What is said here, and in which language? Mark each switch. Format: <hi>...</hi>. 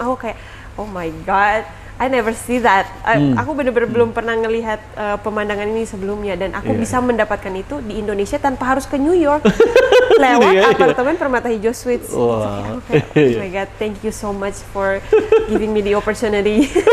<id>Aku kayak,</id> <en>oh my God, I never see that.</en> <id>Aku benar-benar belum pernah ngelihat pemandangan ini sebelumnya, dan aku bisa mendapatkan itu di Indonesia tanpa harus ke New York lewat apartemen Permata Hijau Suites. Wow.</id> <en>Oh my God, thank you so much for giving me the opportunity.</en>